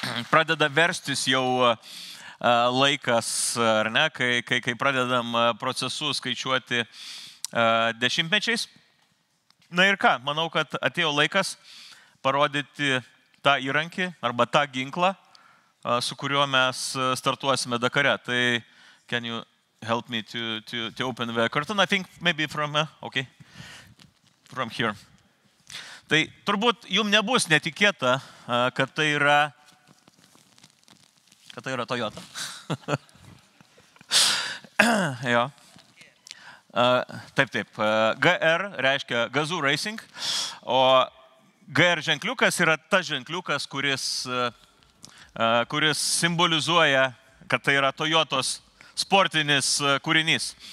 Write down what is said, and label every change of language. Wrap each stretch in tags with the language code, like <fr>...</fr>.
<lt>Pradeda verstis jau laikas, ar ne, kai pradedam procesus skaičiuoti dešimtmečiais. Na ir ką, manau, kad atėjo laikas parodyti tą įrankį arba tą ginklą, su kuriuo mes startuosime Dakare. Tai</lt> <en>can you help me to open the curtain? I think maybe from okay. From here.</en> <lt>Tai turbūt jums nebus netikėta, kad tai yra Toyota. Jo. Taip. GR reiškia Gazoo Racing, o GR ženkliukas yra tas ženkliukas, kuris simbolizuoja, kad tai yra Toyotos sportinis kūrinys.</lt>